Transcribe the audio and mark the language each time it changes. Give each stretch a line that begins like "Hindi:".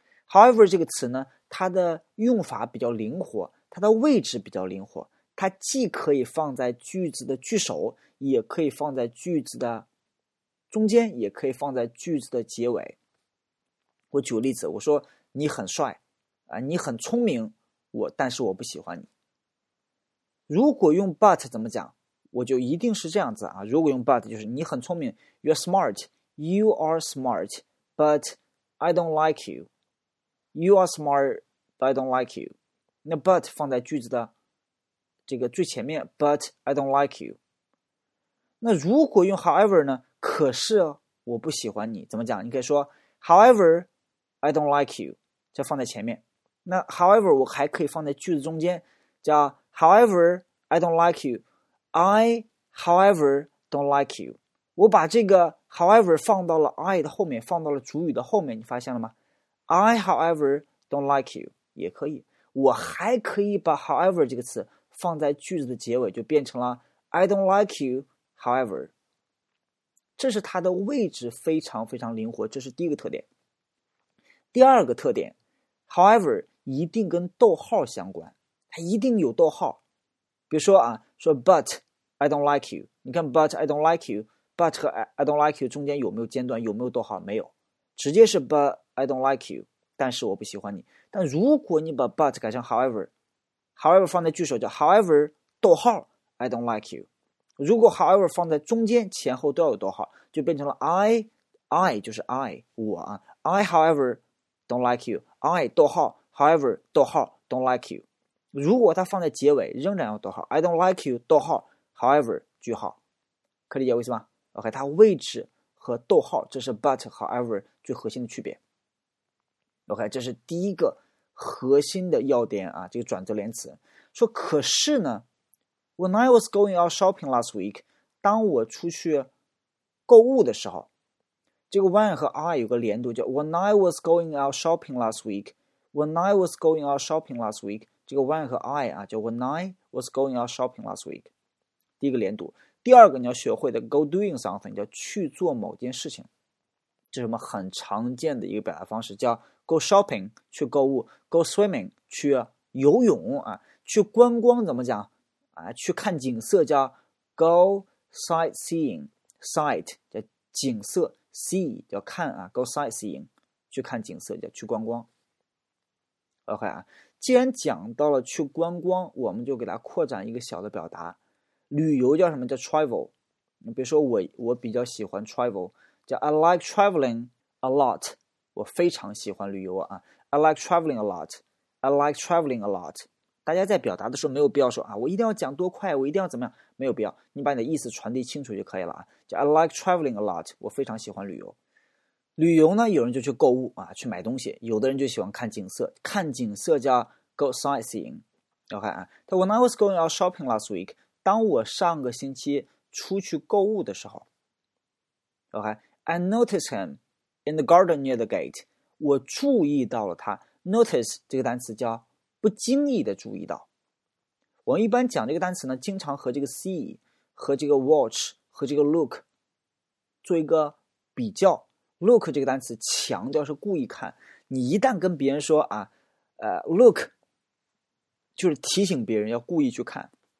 Chinese: however 这个词呢，它的用法比较灵活，它的位置比较灵活，它既可以放在句子的句首，也可以放在句子的中间，也可以放在句子的结尾。我举个例子，我说你很帅啊，你很聪明，但是我不喜欢你。如果用 but 怎么讲，我就一定是这样子啊。如果用 but 就是你很聪明 ，
English: you are smart, but I don't like you. You are smart, but I don't like you.
Chinese: 那 but 放在句子的这个最前面
English: ，but I don't like you。
Chinese: 那如果用 however 呢？可是我不喜欢你，怎么讲？你可以说
English: however I don't like you，
Chinese: 就放在前面。那 however 我还可以放在句子中间，叫
English: however I don't like you， I however don't like you。
Chinese: 我把这个 however 放到了 I 的后面，放到了主语的后面，你发现了吗 ？
English: I however don't like you
Chinese: 也可以，我还可以把 however 这个词放在句子的结尾，就变成了
English: I don't like you, however.
Chinese: 这是它的位置非常非常灵活，这是第一个特点。第二个特点 ,however, 一定跟逗号相关，它一定有逗号。比如说啊，说
English: but I don't like you,
Chinese: 你看
English: but I don't like you, but 和 I don't like you
Chinese: 中间有没有间断，有没有逗号？没有，直接是
English: but I don't like you,
Chinese: 但是我不喜欢你。但如果你把 but 改成 however,However 放在句首叫 However 逗号
English: I don't like you。
Chinese: 如果 However 放在中间前后都要有逗号，就变成了 I 就是 I 我啊
English: I however don't like you
Chinese: I 逗号 However 逗号 don't like you。如果它放在结尾仍然要逗号
English: I don't like you
Chinese: 逗号 However 句号，可以理解为什么 OK 它位置和逗号，这是 but however 最核心的区别。 OK 这是第一个核心的要点啊，这个转折连词。说可是呢
English: ，When I was going out shopping last week，
Chinese: 当我出去购物的时候，这个 when 和 I 有个连读，叫
English: When I was going out shopping last week。 When I was going out shopping last week，
Chinese: 这个 when 和 I 啊，叫
English: When I was going out shopping last week。
Chinese: 第一个连读，第二个你要学会的 go doing something， 叫去做某件事情。这是什么很常见的一个表达方式，叫 go shopping 去购物， go swimming 去游泳啊，去观光怎么讲啊？去看景色叫 go sightseeing， sight 叫景色， see 叫看啊 ，go sightseeing 去看景色叫去观光。 OK 啊，既然讲到了去观光，我们就给它扩展一个小的表达，旅游叫什么叫 travel？你比如说我比较喜欢 travel， 叫
English: I like traveling a lot，
Chinese: 我非常喜欢旅游啊 ，I like traveling a lot。
English: I like traveling a lot。
Chinese: 大家在表达的时候没有必要说啊，我一定要讲多快，我一定要怎么样，没有必要，你把你的意思传递清楚就可以了啊。
English: 就 I like traveling a lot，
Chinese: 我非常喜欢旅游。旅游呢，有人就去购物啊，去买东西，有的人就喜欢看景色，看景色叫 go sightseeing。
English: OK 啊， When I was going out shopping last week，
Chinese: 当我上个星期出去购物的时候，
English: OK， I noticed him in the garden near the gate，
Chinese: 我注意到了他。 Notice 这个单词叫不经意的注意到，我们一般讲这个单词呢，经常和这个 see 和这个 watch 和这个 look 做一个比较。 look 这个单词强调是故意看，你一旦跟别人说啊look 就是提醒别人要故意去看。